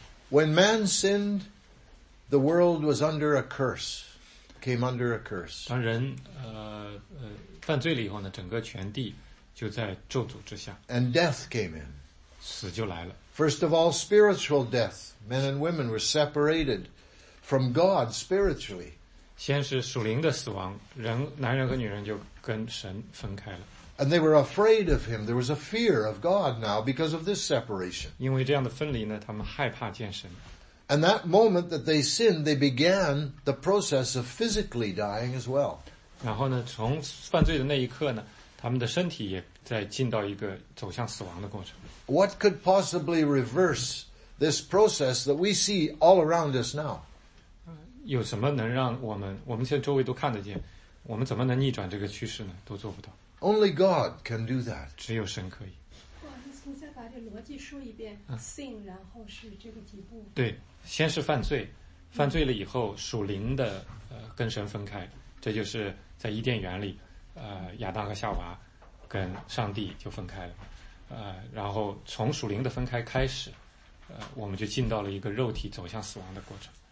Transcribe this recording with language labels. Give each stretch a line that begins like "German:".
English: When man sinned, the world was under a curse. Came under a curse.
Chinese: 当人犯罪了以后呢，整个全地就在咒诅之下。
English: And death came in.
Chinese: 死就来了。
English: First of all, spiritual death. Men and women were separated from God spiritually.
Chinese: 先是属灵的死亡，人男人和女人就跟神分开了。
English: And they were afraid of him. There was a fear of God now because of this separation.
Chinese: 因为这样的分离呢，他们害怕见神。
English: And that moment that they sinned, they began the process of physically dying as well.
Chinese: 然后呢，从犯罪的那一刻呢，他们的身体也在进到一个走向死亡的过程。
English: What could possibly reverse this process that we see all around us now?
Chinese: 有什么能让我们现在周围都看得见，我们怎么能逆转这个趋势呢？都做不到。
English: Only God can do that.
Chinese: 只有神可以。哇，你重新把这逻辑说一遍。 Sin, 然后是这个地步。对，先是犯罪，犯罪了以后属灵的跟神分开，这就是在伊甸园里，亚当和夏娃跟上帝就分开了，然后从属灵的分开开始，我们就进到了一个肉体走向死亡的过程。